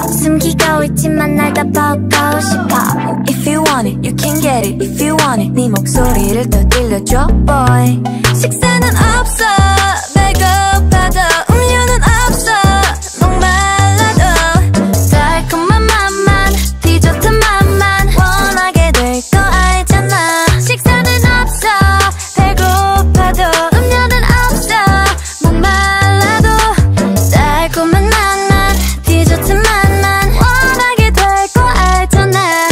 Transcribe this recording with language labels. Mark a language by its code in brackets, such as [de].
[ko] 숨기고 있지만 날 다 벗고 싶어. [en] If you want it, you can get it. If you want it, [ko] 네 목소리를 더 들려줘, [en] boy. [ko] 식사는 없어, 배고파도 음료는 없어, 목말라도 달콤한 맛만, 디저트 맛만 원하게 될 거 알잖아. 식사는 없어, 배고파도 음료는 없어, 목말라도 달콤한 맛만, 디저트 맛만 원하게 될 거 알잖아.